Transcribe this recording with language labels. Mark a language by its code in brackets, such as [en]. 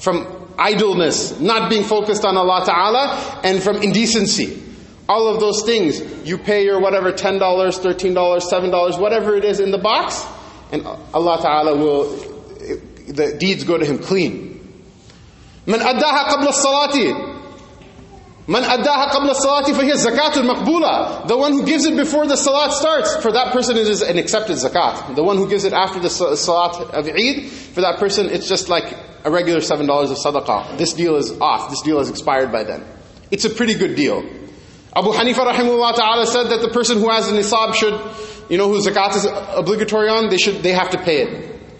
[en] From idleness, not being focused on Allah ta'ala, and from indecency. All of those things, you pay your whatever, $10, $13, $7, whatever it is in the box, and Allah ta'ala will, the deeds go to him clean. [ar] من أداها قبل الصلاة من أداها قبل الصلاة فهي الزكاة المقبولة. [en] The one who gives it before the salat starts, for that person it is an accepted zakat. The one who gives it after the salat of Eid, for that person it's just like a regular $7 of sadaqah. This deal is off. This deal has expired by then. It's a pretty good deal. Abu Hanifa rahimahullah ta'ala said that the person who has a nisab should, you know, whose zakat is obligatory on, they have to pay it.